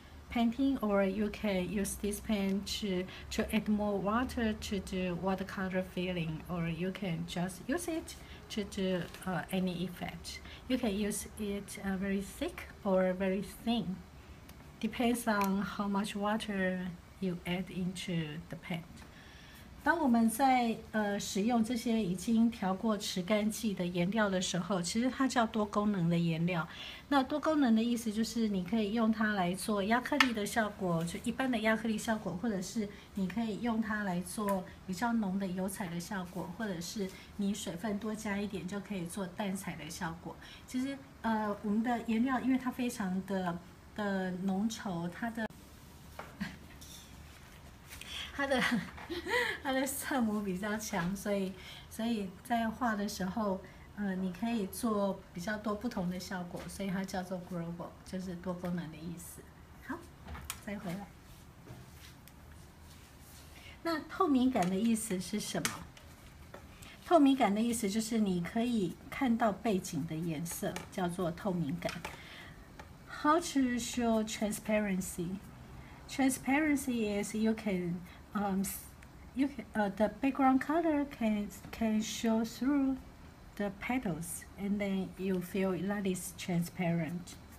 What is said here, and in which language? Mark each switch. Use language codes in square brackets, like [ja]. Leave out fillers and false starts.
[en] Painting, or you can use this pen to add more water to do watercolor filling, or you can just use it to do any effect. You can use it very thick or very thin, depends on how much water you add into the pen. [zh] 当我们在使用这些已经调过持干剂的颜料的时候，其实它叫多功能的颜料。那多功能的意思就是你可以用它来做亚克力的效果，就一般的亚克力效果，或者是你可以用它来做比较浓的油彩的效果，或者是你水分多加一点就可以做淡彩的效果。其实我们的颜料因为它非常的浓稠，它的色母比较强，所以在画的时候你可以做比较多不同的效果，所以它叫做 global, 就是多功能的意思。好，再回来。那透明感的意思是什么？透明感的意思就是你可以看到背景的颜色，叫做透明感。 [en] How to show transparency? Transparency is the background color can show through the petals, and then you feel that is transparent.